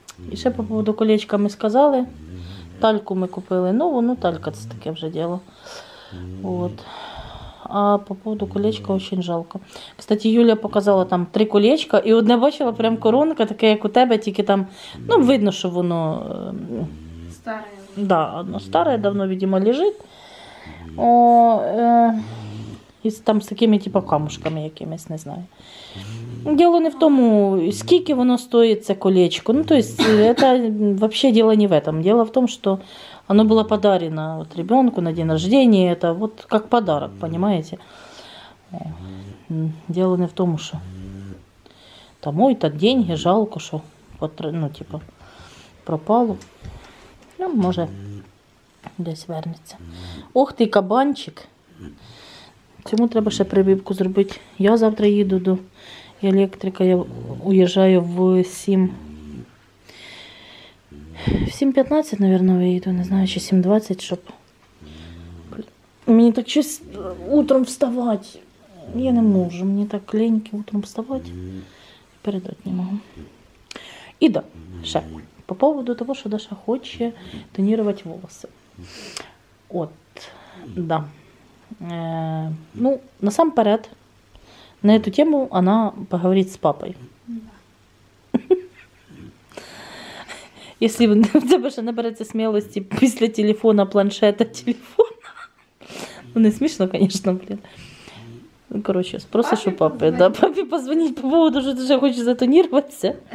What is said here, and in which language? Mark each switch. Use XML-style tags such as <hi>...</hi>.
<uk>І ще по поводу колечка ми сказали. Тальку ми купили нову, ну, талька – це таке вже діло. От. А по поводу колечка дуже жалко. Кстати, Юля показала там три колечка, і одне бачила, прям коронка, таке, як у тебе, тільки там, ну, видно, що воно... Старе. Да, воно старе, давно, видимо, лежить. О, і там з такими, типу, камушками якимись, не знаю. Діло не в тому, скільки воно стоїть, це колечко. Ну, тобто, це взагалі діло не в цьому. Діло в тому, що...</uk> <ru>Оно было подарено вот ребенку на день рождения, это вот как подарок, понимаете? Дело не в том, что там ой-то деньги, жалко, что вот, ну, типа, пропало. Ну, может, десь вернется. Ох ты, кабанчик!</ru> <uk>Цьому треба ще прибивку зробити. Я завтра їду до електрика, я уїжджаю в 7.</uk> <ru>В 7.15, наверное, выйду, не знаю, еще 7.20, чтоб... Мне так чисто утром вставать. Я не могу, мне так леньки утром вставать. Передать не могу. И да, ще, по поводу того, что Даша хочет тонировать волосы. От, да. Ну, насамперед, на эту тему она поговорит с папой.</ru> <uk>Якщо в тебе ще набереться смілості після телефона, планшета, телефона. Ну, не смішно, звісно, блін. Коротше, спросиш у папи. Да, папі позвонить по поводу, що ти вже хочеш затонірватися.</uk>